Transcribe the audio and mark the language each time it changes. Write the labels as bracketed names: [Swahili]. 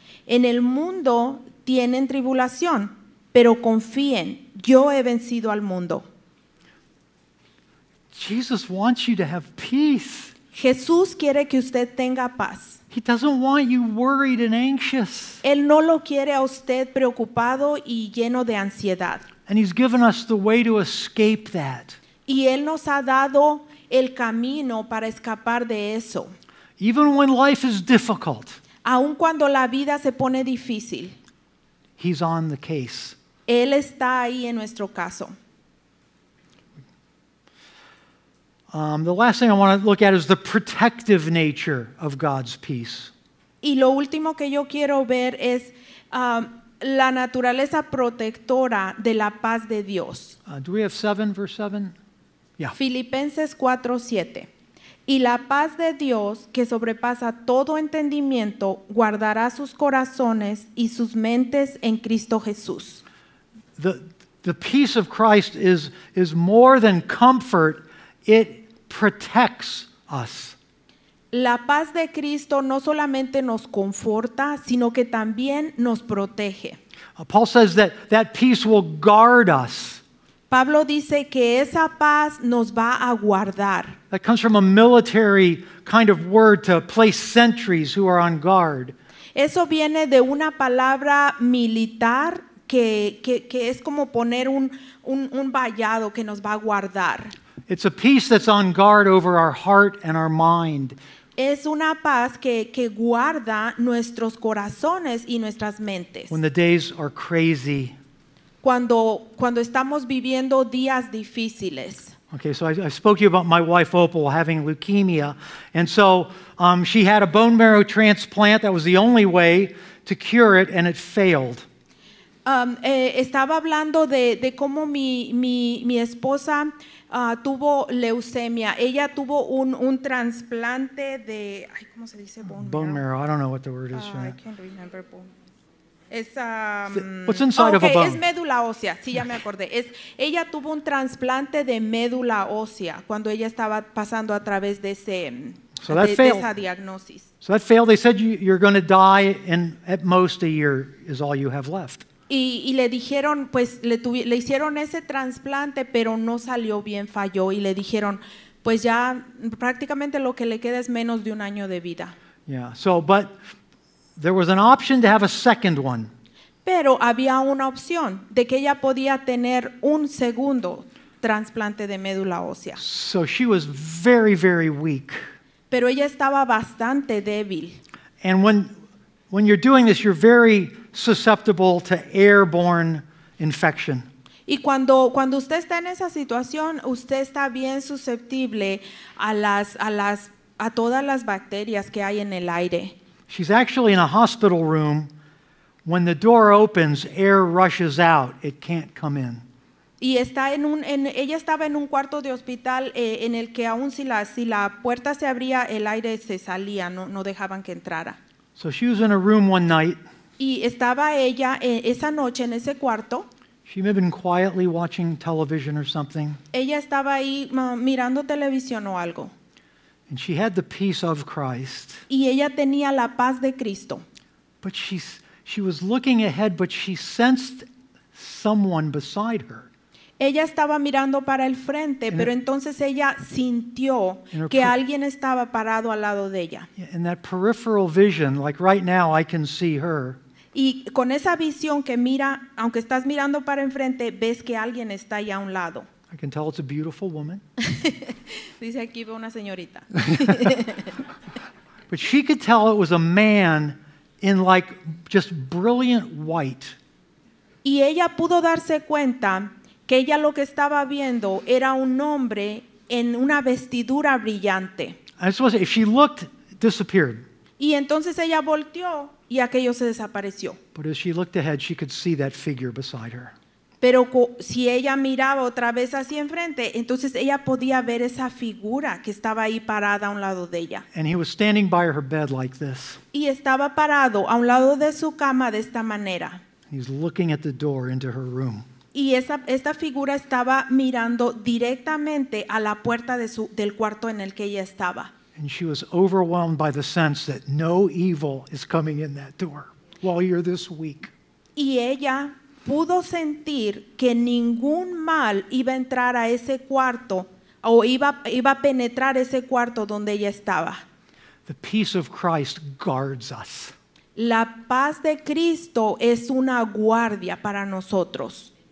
[Spanish] En el mundo tienen tribulación, pero confíen, yo he vencido al mundo. [English] Jesus wants you to have peace. [Spanish] Jesús quiere que usted tenga paz. [English] He doesn't want you worried and anxious. [Spanish] Él no lo quiere a usted preocupado y lleno de ansiedad. [English] And he's given us the way to escape that. [Spanish] Y él nos ha dado el camino para escapar de eso. [English] Even when life is difficult. [Spanish] Aun cuando la vida se pone difícil. [English] He's on the case. [Spanish] Él está ahí en nuestro caso. [English] The last thing I want to look at is the protective nature of God's peace. [Spanish] Y lo último que yo quiero ver es la naturaleza protectora de la paz de Dios. [English] Do we have 7, verse 7? [Spanish] Yeah. Filipenses 4:7. Y la paz de Dios, que sobrepasa todo entendimiento, guardará sus corazones y sus mentes en Cristo Jesús. [English] The peace of Christ is more than comfort. It protects us. [Spanish] La paz de Cristo no solamente nos conforta, sino que también nos protege. [English] Paul says that peace will guard us. [Spanish] Pablo dice que esa paz nos va a guardar. [English] That comes from a military kind of word to place sentries who are on guard. [Spanish] Eso viene de una palabra militar que es como poner un vallado que nos va a guardar. [English] It's a peace that's on guard over our heart and our mind. [Spanish] Es una paz que guarda nuestros corazones y nuestras mentes. [English] When the days are crazy. [Spanish] Cuando estamos viviendo días difíciles. [English] Okay, so I spoke to you about my wife Opal having leukemia. And so she had a bone marrow transplant. That was the only way to cure it, and it failed. [Spanish] Estaba hablando de cómo mi esposa tuvo leucemia. Ella tuvo un trasplante de, ay, ¿cómo se dice? [English] Bone marrow. I don't know what the word is. I can't remember bone. Es, what's inside okay, of a bone? [Spanish] Es médula ósea. Sí, ya me acordé. Ella tuvo un trasplante de médula ósea cuando ella estaba pasando a través de ese [English] so that [Spanish] de esa diagnosis. [English] So that failed. They said you're going to die in at most a year is all you have left. [Spanish] Y le dijeron, pues le hicieron ese trasplante, pero no salió bien, falló. Y le dijeron, pues ya prácticamente lo que le queda es menos de un año de vida. [English] Yeah, so, but there was an option to have a second one. [Spanish] Pero había una opción de que ella podía tener un segundo trasplante de médula ósea. [English] So she was very, very weak. [Spanish] Pero ella estaba bastante débil. [English] And when you're doing this, you're very susceptible to airborne infection. [Spanish] Y cuando usted está en esa situación, usted está bien susceptible a todas las bacterias que hay en el aire. [English] She's actually in a hospital room. When the door opens, air rushes out. It can't come in. [Spanish] Y está ella estaba en un cuarto de hospital en el que aún si la puerta se abría, el aire se salía, no dejaban que entrara. [English] So she was in a room one night. [Spanish] Y estaba ella esa noche en ese cuarto. [English] She may have been quietly watching television or something. [Spanish] Ella estaba ahí mirando televisión o algo. [English] And she had the peace of Christ. [Spanish] Y ella tenía la paz de Cristo. [English] But she was looking ahead, but she sensed someone beside her. [Spanish] Ella estaba mirando para el frente, pero entonces ella sintió que alguien estaba parado al lado de ella. [English] In that peripheral vision, like right now, I can see her. [Spanish] Y con esa visión que mira, aunque estás mirando para enfrente, ves que alguien está ahí a un lado. [English] I can tell it's a beautiful woman. [Spanish] Dice aquí ve una señorita. [English] But she could tell it was a man in like just brilliant white. [Spanish] Y ella pudo darse cuenta que ella lo que estaba viendo era un hombre en una vestidura brillante. [English] I suppose if she looked, it disappeared. [Spanish] Y entonces ella volteó y aquello se desapareció. [English] But as she looked ahead, she could see that figure beside her. [Spanish] Pero si ella miraba otra vez así enfrente, entonces ella podía ver esa figura que estaba ahí parada a un lado de ella. [English] And he was standing by her bed like this. [Spanish] Y estaba parado a un lado de su cama de esta manera. [English] He's looking at the door into her room. [Spanish] Y esta figura estaba mirando directamente a la puerta de del cuarto en el que ella estaba. [English] And she was overwhelmed by the sense that no evil is coming in that door while you're this weak. [Spanish] Y ella pudo sentir que ningún mal iba a entrar a ese cuarto o iba a penetrar ese cuarto donde ella estaba. [English] The peace of Christ guards us. [Spanish] La paz de Cristo es una guardia para nosotros.